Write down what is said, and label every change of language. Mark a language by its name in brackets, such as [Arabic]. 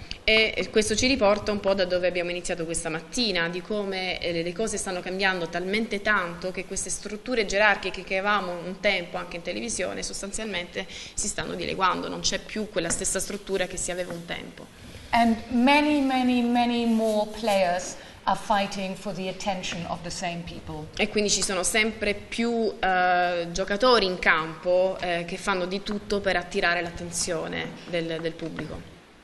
[Italian] E questo ci riporta un po' da dove abbiamo iniziato questa mattina, di come le cose stanno cambiando talmente tanto che queste strutture gerarchiche che avevamo un tempo anche in televisione sostanzialmente si stanno dileguando, non c'è più quella stessa struttura che si aveva un tempo. [English] And many, many, many more players are fighting for the attention of the same people. [Italian] E quindi ci sono sempre più giocatori in campo che fanno di tutto per attirare l'attenzione del pubblico.